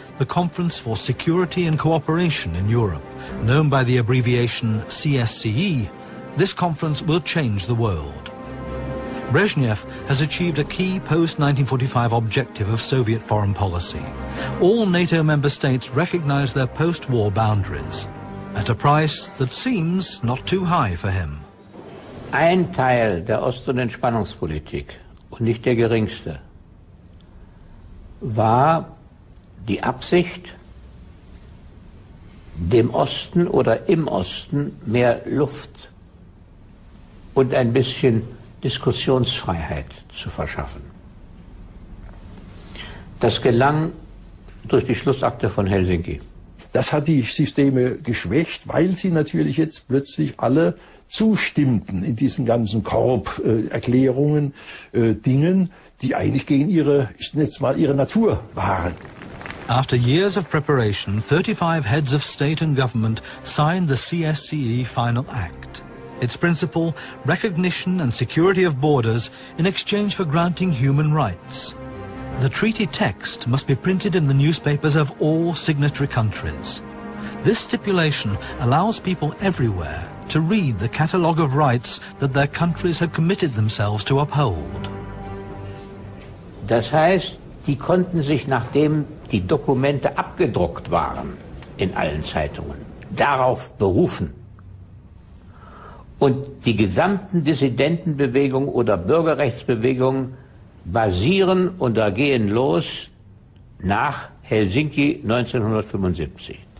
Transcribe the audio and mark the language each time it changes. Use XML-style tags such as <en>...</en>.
<en>The Conference for Security and Cooperation in Europe, known by the abbreviation CSCE, this conference will change the world. Brezhnev has achieved a key post-1945 objective of Soviet foreign policy. All NATO member states recognize their post-war boundaries, at a price that seems not too high for him.</en> <de>Ein Teil der Ost- und Entspannungspolitik, und nicht der geringste, war die Absicht, dem Osten oder im Osten mehr Luft und ein bisschen Diskussionsfreiheit zu verschaffen. Das gelang durch die Schlussakte von Helsinki. Das hat die Systeme geschwächt, weil sie natürlich jetzt plötzlich alle zustimmten in diesen ganzen Korb-Erklärungen, Dingen, die eigentlich gegen ihre, ich nenne es mal, ihre Natur waren.</de> <en>After years of preparation, 35 heads of state and government signed the CSCE final act. Its principle, recognition and security of borders in exchange for granting human rights. The treaty text must be printed in the newspapers of all signatory countries. This stipulation allows people everywhere to read the catalogue of rights that their countries have committed themselves to uphold.</en> <de>Das heißt, die konnten sich, nachdem die Dokumente abgedruckt waren in allen Zeitungen, darauf berufen. Und die gesamten Dissidentenbewegungen oder Bürgerrechtsbewegungen basieren und da gehen los nach Helsinki 1975.</de>